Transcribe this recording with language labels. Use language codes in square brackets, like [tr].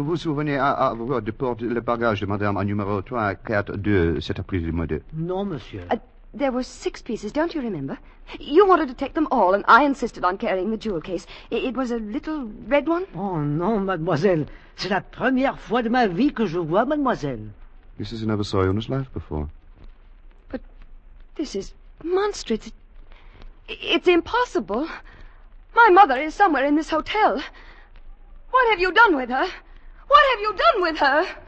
[fr] Vous vous souvenez avoir déporté le bagage de madame en numéro 342 cet après-midi? Non, monsieur. [en] There were 6 pieces, don't you remember? You wanted to take them all, and I insisted on carrying the jewel case. It was a little red one. [fr] Oh, non, mademoiselle. C'est la première fois de ma vie que je vois mademoiselle. [en] He says he never saw you in his life before. But this is monstrous. It's impossible. My mother is somewhere in this hotel. What have you done with her? What have you done with her?